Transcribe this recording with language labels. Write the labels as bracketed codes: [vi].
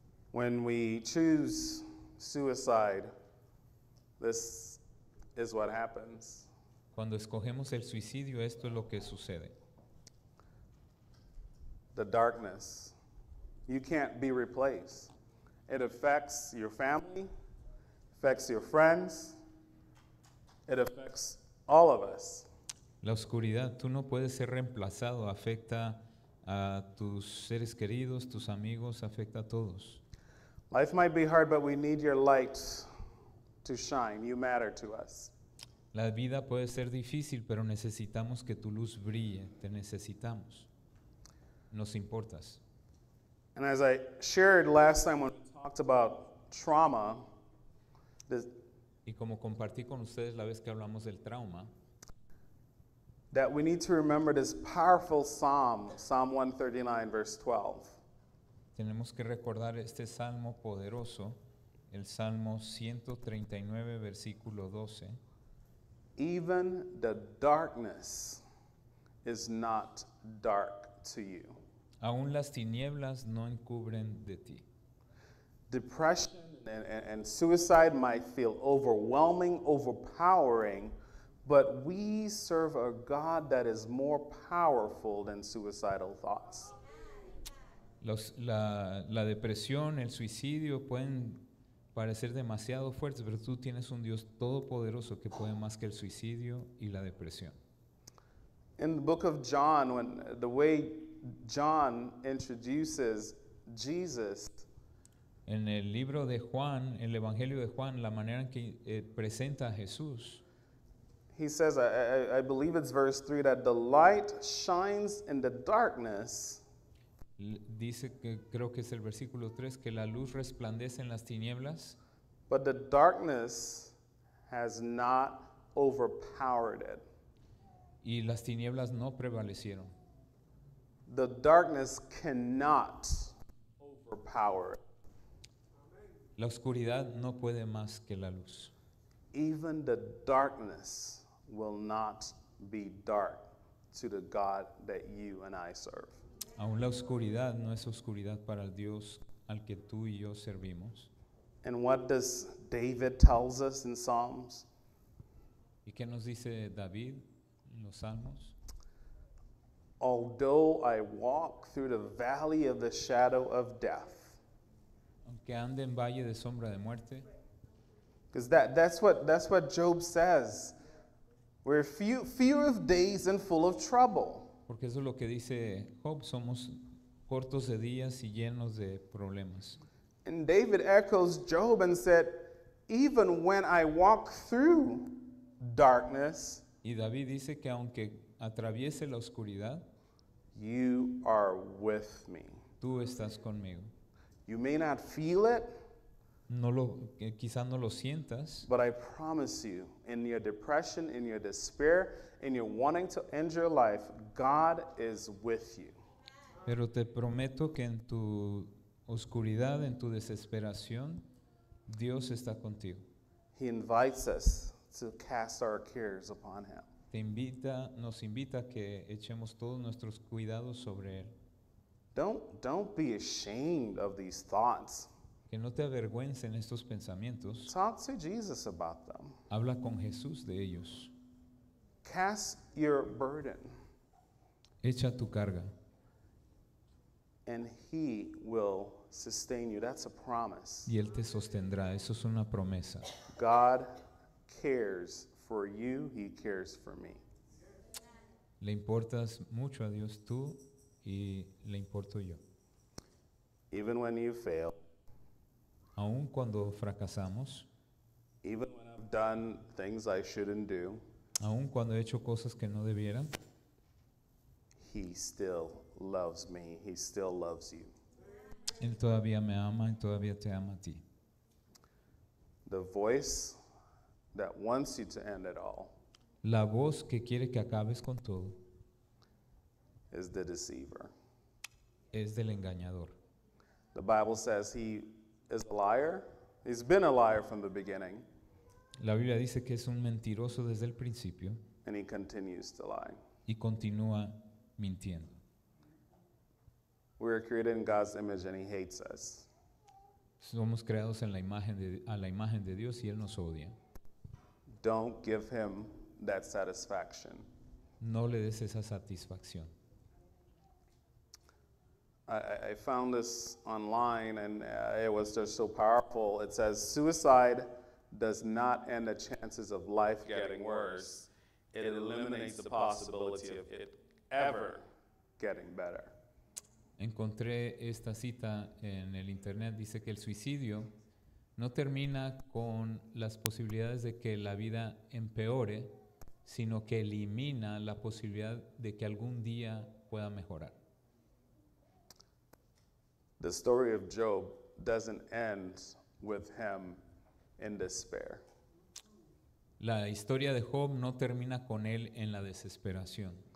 [en] When we choose suicide, this is what happens. [es] Cuando escogemos el suicidio, esto es lo que sucede. [en] The darkness. You can't be replaced. It affects your family, affects your friends, it affects all of us. [es] La oscuridad, tú no puedes ser reemplazado, afecta a tus seres queridos, tus amigos, afecta a todos. [en] Life might be hard, but we need your light to shine. You matter to us. [es] La vida puede ser difícil, pero necesitamos que tu luz brille. Te necesitamos. Nos importas. [en] And as I shared last time when we talked about trauma, [es] y como compartí con ustedes la vez que hablamos del trauma, [en] that we need to remember this powerful psalm, Psalm 139, verse 12. [es] Tenemos que recordar este salmo poderoso, el Salmo 139, versículo 12. [en] Even the darkness is not dark to you. [es] Aún las tinieblas no encubren de ti. [en] Depression and suicide might feel overwhelming, overpowering, but we serve a God that is more powerful than suicidal thoughts. [es] La depresión, el suicidio pueden parecer demasiado fuertes, pero tú tienes un Dios todopoderoso que puede más que el suicidio y la depresión. [en] In the book of John, when the way John introduces Jesus, [es] en el libro de Juan, el Evangelio de Juan, la manera en que presenta a Jesús, [en] he says, I believe it's verse 3, that the light shines in the darkness. [es] Dice que creo que es el versículo 3 que la luz resplandece en las tinieblas. [en] But the darkness has not overpowered it. [es] Y las tinieblas no prevalecieron. [en] the darkness cannot overpower it. [es] La oscuridad no puede más que la luz. [en] Even the darkness will not be dark to the God that you and I serve. [es] Aún la oscuridad no es oscuridad para el Dios al que tú y yo servimos. [en] And what does David tell us in Psalms? [es] ¿Y qué nos dice David en los Salmos? [en] Although I walk through the valley of the shadow of death. [es] Aunque ande en valle de sombra de muerte. [en] Because that's what Job says. We're few of days and full of trouble. [es] Porque eso es lo que dice Job, somos cortos de días y llenos de problemas. [en] And David echoes Job and said, even when I walk through darkness, [es] y David dice que aunque atraviese la oscuridad, [en] you are with me. [es] Tú estás conmigo. [en] You may not feel it, [es] quizás no lo sientas, [en] but I promise you, in your depression, in your despair, in your wanting to end your life, God is with you. [es] Pero te prometo que en tu oscuridad, en tu desesperación, Dios está contigo. [en] He invites us to cast our cares upon him. [es] Te invita, nos invita a que echemos todos nuestros cuidados sobre él. [en] Don't be ashamed of these thoughts. [es] Que no te avergüencen estos pensamientos. [en] Talk to Jesus about them. [es] Habla con Jesús de ellos. [en] Cast your burden. [es] Echa tu carga. [en] And he will sustain you. That's a promise. [es] Y él te sostendrá. Eso es una promesa. [en] God cares for you. He cares for me. [es] Le importas mucho a Dios tú y le importo yo. [en] Even when you fail. [es] Aún cuando fracasamos. [en] Even when I've done things I shouldn't do. [es] Aún cuando he hecho cosas que no debiera. [en] He still loves me. He still loves you. [es] Él todavía me ama y todavía te ama a ti. [en] The voice that wants you to end it all. [es] La voz que quiere que acabes con todo. [en] Is the deceiver. [es] Es del engañador. [en] The Bible says he is a liar. He's been a liar from the beginning. [es] La Biblia dice que es un mentiroso desde el principio. [en] And he continues to lie. [es] Y continúa mintiendo. [en] We are created in God's image and he hates us. [es] Somos creados en la imagen de Dios y él nos odia. [en] Don't give him that satisfaction. [es] No le des esa satisfacción. [en] I found this online and it was just so powerful. It says, suicide does not end the chances of life getting worse. It eliminates the possibility of it ever getting better. [es] Encontré esta cita en el internet. Dice que el suicidio no termina con las posibilidades de que la vida empeore, sino que elimina la posibilidad de que algún día pueda mejorar. [en] The story of Job doesn't end with him in despair. [es] La historia de Job no termina con él en la desesperación.